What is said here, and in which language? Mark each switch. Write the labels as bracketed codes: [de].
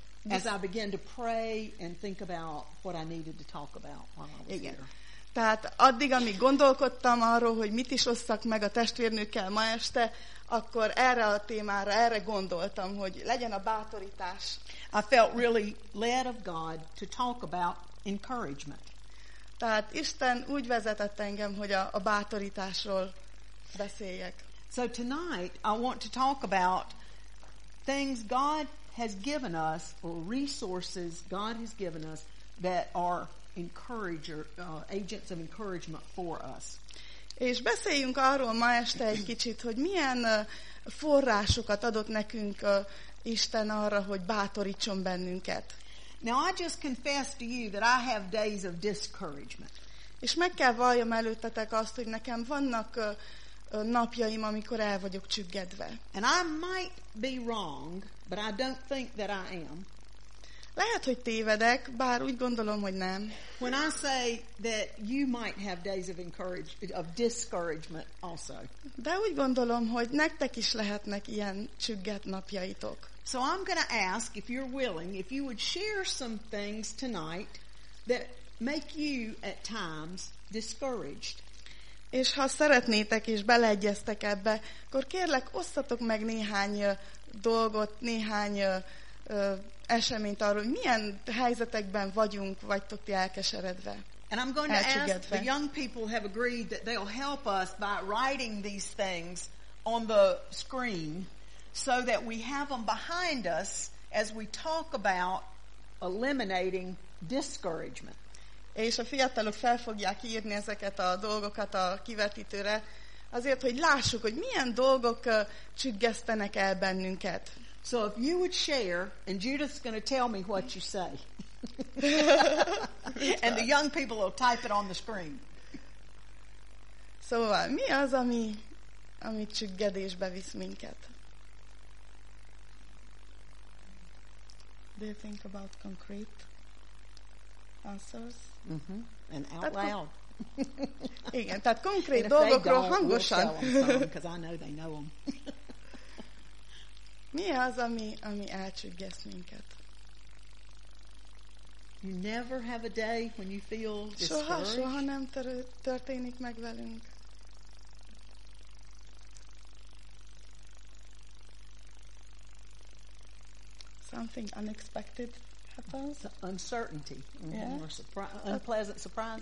[en] As I begin to pray and think about what I needed to talk about while I was here. [hu] Tehát addig, amíg gondolkodtam arról, hogy mit is osszak meg a testvérnőkkel ma este, akkor erre a témára, erre gondoltam, hogy legyen a bátorítás. [en] I felt really led of God to talk about encouragement. [hu] Tehát Isten úgy vezetett engem, hogy a bátorításról beszéljek. [en] So tonight I want to talk about things God has given us or resources God has given us that are encourager agents of encouragement for us. [hu] És beszéljünk arról ma este egy kicsit, hogy milyen forrásokat adott nekünk Isten arra, hogy bátorítson bennünket. [en] Now I just confess to you that I have days of discouragement. [hu] És meg kell valljam előttetek azt, hogy nekem vannak napjaim, amikor el vagyok csüggedve. [en] And I might be wrong, but I don't think that I am. [hu] Lehet, hogy tévedek, bár úgy gondolom, hogy nem. [en] When I say that you might have days of discouragement also. [hu] De úgy gondolom, hogy nektek is lehetnek ilyen csüggett napjaitok. [en] So I'm going to ask if you're willing, if you would share some things tonight that make you at times discouraged. [hu] És ha szeretnétek és beleegyeztek ebbe, akkor kérlek, osszatok meg néhány dolgot, néhány eseményt arról, hogy milyen helyzetekben vagyunk, vagytok ti elkeseredve. [en] And I'm going to ask, the young people have agreed that they'll help us by writing these things on the screen so that we have them behind us as we talk about eliminating discouragement. [hu] És a fiatalok fel fogják írni ezeket a dolgokat a kivetítőre, azért, hogy lássuk, hogy milyen dolgok csüggesztenek el bennünket. [en] So if you would share, and Judith's going to tell me what you say. And the young people will type it on the screen. [hu] Szóval, mi az, ami csüggedésbe visz minket? [en] Do you think about concrete answers? Mm-hmm. And out that loud. [hu] Igen, tehát konkrét dolgokról hangosan. [en] Because I know they know them. [hu] Mi az, ami elcsüggeszt minket? [en] You never have a day when you feel discouraged. [hu] Soha nem történik meg velünk. [en] Something unexpected happens. Uncertainty. Yeah. Or unpleasant surprises.